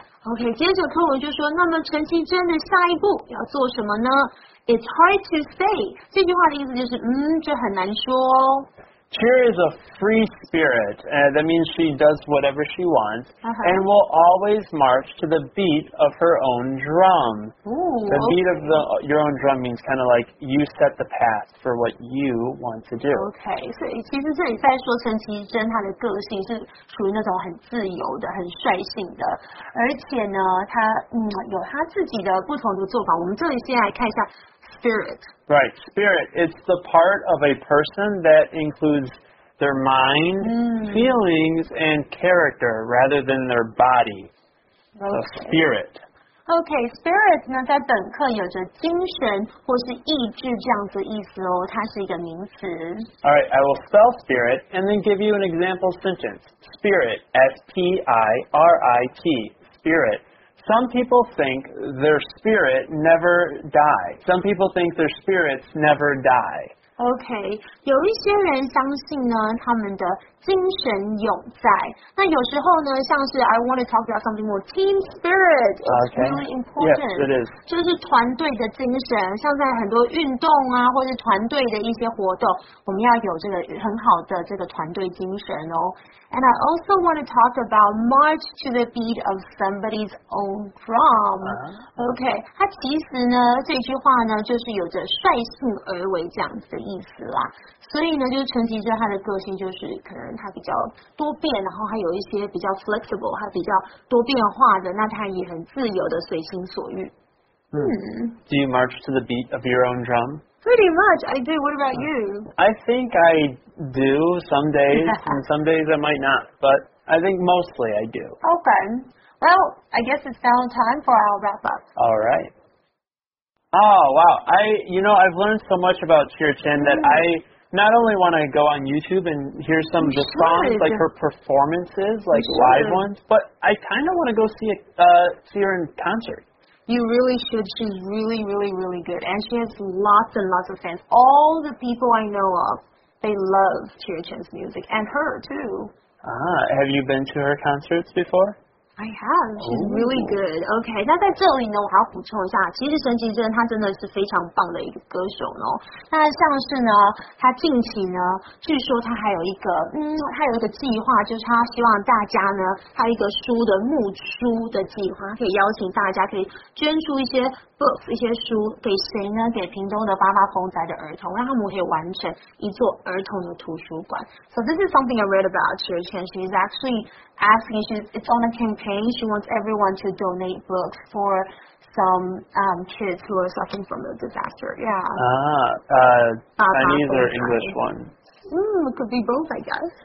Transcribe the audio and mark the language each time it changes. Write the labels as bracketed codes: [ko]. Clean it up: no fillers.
[zh] Okay, 接着课文就说，那么陈绮贞的下一步要做什么呢？ [en] It's hard to say. [zh] 这句话的意思就是，这很难说哦。 [en] Cheer is a free spirit, that means she does whatever she wants, uh-huh. and will always march to the beat of her own drum. Ooh, okay. beat of your own drum means kind of like you set the path for what you want to do. [zh] Okay, 所以其实这里在说陈绮贞她的个性是属于那种很自由的、很率性的，而且呢，她有她自己的不同的做法。我们这里先来看一下。 [en] Spirit. Right, spirit. It's the part of a person that includes their mind, feelings, and character rather than their body. Okay. The spirit. [zh] Okay, spirit 呢在本课有着精神或是意志这样子意思哦，它是一个名词。 [en] All right, I will spell spirit and then give you an example sentence. Spirit, S-P-I-R-I-T, spirit. Some people think their spirit never die. Some people think their spirits never die. [zh] Okay, 有一些人相信呢，他们的精神永在。那有时候呢，像是 [en] I want to talk about something more. Team spirit is really important. Yes, it is. [zh] 就是团队的精神，像在很多运动啊，或是团队的一些活动，我们要有这个很好的这个团队精神哦。 [en] And I also want to talk about march to the beat of somebody's own drum. [zh] Okay, 它其实呢，这句话呢，就是有着率性而为这样子的意思啦。所以呢，就是陈绮贞她的个性就是可能她比较多变，然后还有一些比较 flexible， 她比较多变化的，那她也很自由的，随心所欲。 [en] Do you march to the beat of your own drum? Pretty much, I do. What about you? I think I do some days, and some days I might not, but I think mostly I do. Okay. Well, I guess it's now time for our wrap up. All right. Oh, wow. I've learned so much about Cheer Chen that I not only want to go on YouTube and hear some of the songs, like her performances, like live ones, but I kind of want to go see her in concert. You really should. She's really, really, really good. And she has lots and lots of fans. All the people I know of, they love Cheer Chen's music. And her, too. Ah, have you been to her concerts before? I have. She's really good. [zh] Okay, 那在这里呢，我还要补充一下，其实陈绮贞她真的是非常棒的一个歌手呢。那像是呢，她近期呢，据说她还有一个，她有一个计划，就是她希望大家呢，她有一个书的募书的计划，可以邀请大家可以捐出一些 books 一些书给谁呢？给屏东的八八风宅的儿童，让他们可以完成一座儿童的图书馆。 [en] So this is something I read about Cheer Chen. She's actually asking, it's on a campaign, she wants everyone to donate books for some kids who are suffering from the disaster. Yeah. Chinese or English ones? It could be both, I guess.